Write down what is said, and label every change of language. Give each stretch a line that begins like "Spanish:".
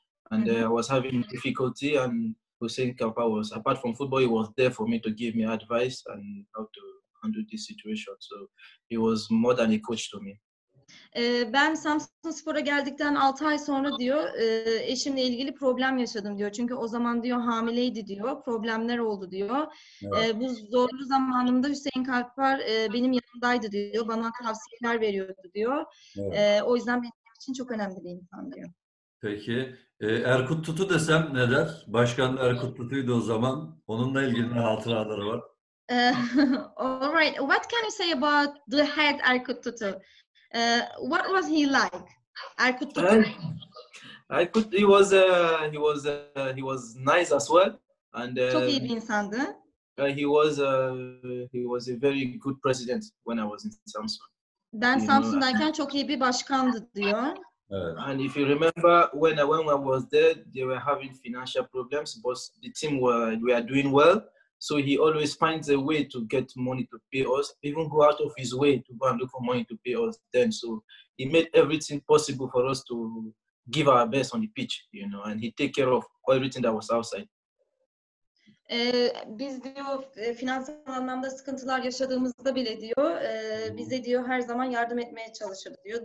English: And I was having difficulty, and Hüseyin Kalpa was, apart from football, he was there for me to give me advice and how to handle this situation. So he was more than a coach to me.
Turkish: Ben Samsun Spor'a geldikten 6 ay sonra diyor, eşimle ilgili problem yaşadım diyor. Çünkü o zaman diyor hamileydi diyor, problemler oldu diyor. Evet. Bu zorlu zamanımda Hüseyin Kalpar benim yanımdaydı diyor, bana tavsiyeler veriyordu diyor. Evet. O yüzden benim için çok önemli bir insan diyor. Peki, Erkut Tutu desem ne der? Başkan Erkut Tutu'ydu o zaman, onunla ilgili ne hatıraları var?
English: All right, what can you say about the head Erkut Tutu? What was he like? Erkut Tutu. He was nice as well. And
Turkish: çok iyi bir insandı.
English: He was a very good president when I was in Samsun.
Turkish: Ben Samsun'dayken çok iyi bir başkandı diyor.
English: And if you remember when I was there, they were having financial problems, but the team were doing well. So he always finds a way to get money to pay us, even go out of his way to go and look for money to pay us then. So he made everything possible for us to give our best on the pitch, you know, and he take care of everything that was outside.
Turkish: Biz diyor finansal anlamda sıkıntılar yaşadığımızda bile diyor, bize diyor her zaman yardım etmeye çalışır diyor.